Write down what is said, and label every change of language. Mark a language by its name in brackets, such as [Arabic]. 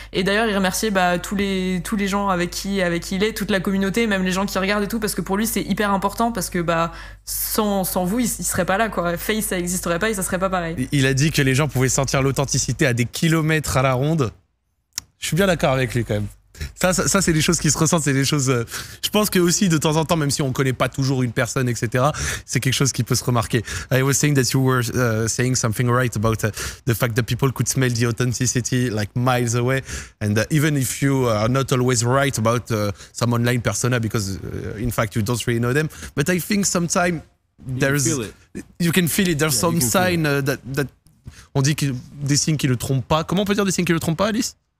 [French] Et d'ailleurs, il remerciait tous les gens avec qui il est, toute la communauté, même les gens qui regardent et tout, parce que pour lui, c'est hyper important, parce que sans vous, il serait pas là, quoi. FaZe, ça existerait pas et ça serait pas pareil. Il a dit que les gens pouvaient sentir l'authenticité à des kilomètres à la ronde. Je suis bien d'accord avec lui, quand même. Ça, c'est des choses qui se ressentent, c'est des choses... je pense que aussi, de temps en temps, même si on ne connaît pas toujours une personne, etc., c'est quelque chose qui peut se remarquer. [English] I was saying that you were saying something right about the fact that people could smell the authenticity like miles away, and even if you are not always right about some online persona, because in fact, you don't really know them, but I think sometimes there's... You can feel it. There's some sign that... [French] On dit que des signes qui ne le trompent pas. Comment on peut dire des signes qui ne le trompent pas, Alice?